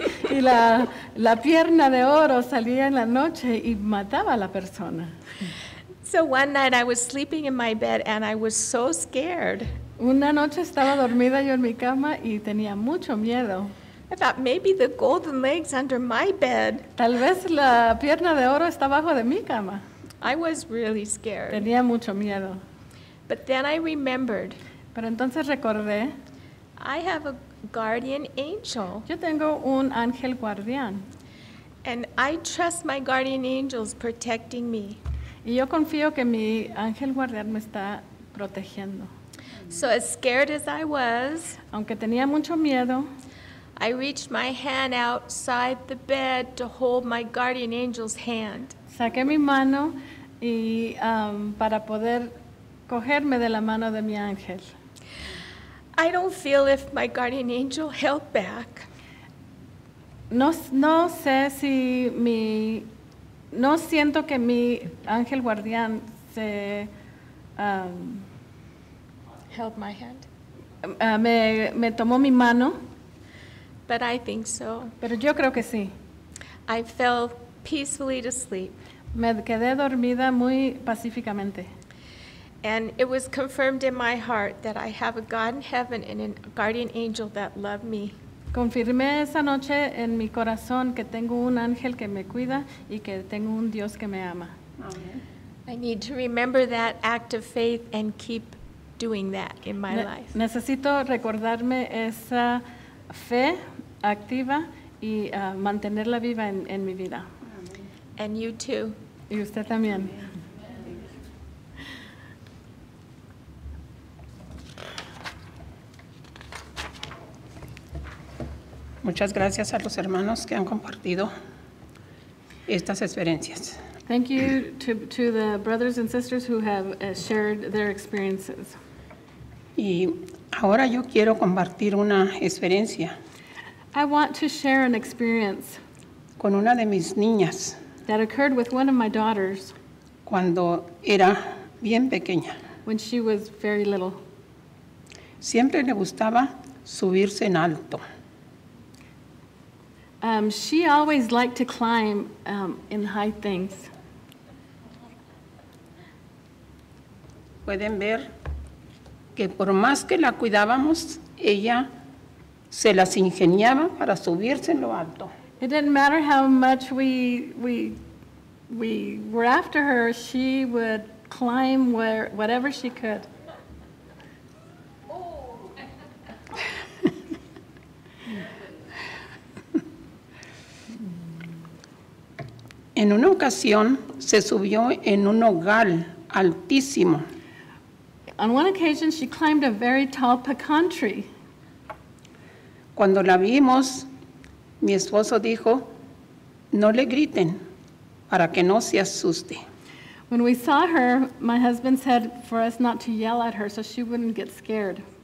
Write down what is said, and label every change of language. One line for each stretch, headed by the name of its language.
Spanish: Y la pierna de oro salía en la noche y mataba a la persona.
English: So one night I was sleeping in my bed and I was so scared.
Spanish: Una noche estaba dormida yo en mi cama y tenía mucho miedo.
English: I thought maybe the golden leg's under my bed.
Spanish: Tal vez la pierna de oro está bajo de mi cama.
English: I was really scared.
Spanish: Tenía mucho miedo.
English: But then I remembered.
Spanish: Pero entonces recordé.
English: I have a guardian angel.
Spanish: Yo tengo un ángel guardián.
English: And I trust my guardian angels protecting me.
Spanish: Y yo confío que mi ángel guardián me está protegiendo.
English: So as scared as I was,
Spanish: aunque tenía mucho miedo,
English: I reached my hand outside the bed to hold my guardian angel's hand.
Spanish: Saqué mi mano y para poder cogerme de la mano de mi ángel.
English: I don't feel if my guardian angel held back.
Spanish: No siento que mi ángel guardián se
English: held my hand.
Spanish: Me tomó mi mano.
English: But I think so.
Spanish: Pero yo creo que sí.
English: I fell peacefully to sleep.
Spanish: Me quedé dormida muy pacíficamente.
English: And it was confirmed in my heart that I have a God in heaven and a guardian angel that love me.
Spanish: Confirmé esa noche en mi corazón que tengo un ángel que me cuida y que tengo un Dios que me ama.
English: I need to remember that act of faith and keep doing that in my life.
Spanish: Necesito recordarme esa fe activa y mantenerla viva en mi vida.
English: And you too.
Spanish: Y usted también. Muchas gracias a los hermanos que han compartido estas experiencias.
English: Thank you to the brothers and sisters who have shared their experiences.
Spanish: Y ahora yo quiero compartir una experiencia.
English: I want to share an experience
Spanish: con una de mis niñas.
English: That occurred with one of my daughters
Spanish: cuando era bien pequeña.
English: When she was very little.
Spanish: Siempre le gustaba subirse en alto.
English: She always liked to climb in high things.
Spanish: Pueden ver que por más que la cuidábamos, ella se las ingeniaba para subirse en lo alto.
English: It didn't matter how much we were after her, she would climb whatever she could.
Spanish: En una ocasión, se subió en un nogal altísimo.
English: On one occasion, she climbed a very tall pecan tree.
Spanish: Cuando la vimos, mi esposo dijo, no le griten, para que no se asuste.
English: When we saw her, my husband said for us not to yell at her so she wouldn't get scared.